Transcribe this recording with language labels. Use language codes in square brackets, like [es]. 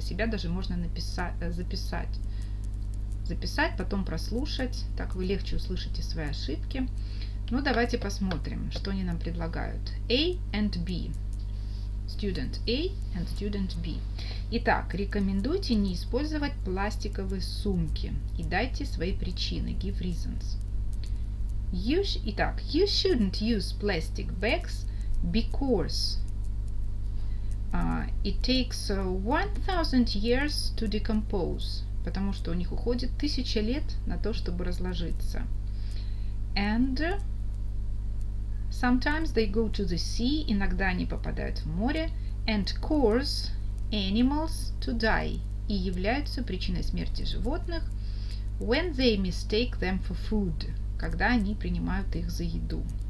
[ru] И себя даже можно записать. Записать, потом прослушать, так вы легче услышите свои ошибки. Ну, давайте посмотрим, что они нам предлагают. [en] A and B. Student A and Student B. [ru] Итак, рекомендуйте не использовать пластиковые сумки. И дайте свои причины. [en] Give reasons. Итак, you shouldn't use plastic bags because it takes 1000 years to decompose. [ru] Потому что у них уходит 1000 лет на то, чтобы разложиться. [en] And sometimes they go to the sea, [ru] иногда они попадают в море, [en] and cause animals to die, [ru] и являются причиной смерти животных, [en] when they mistake them for food, [ru] когда они принимают их за еду.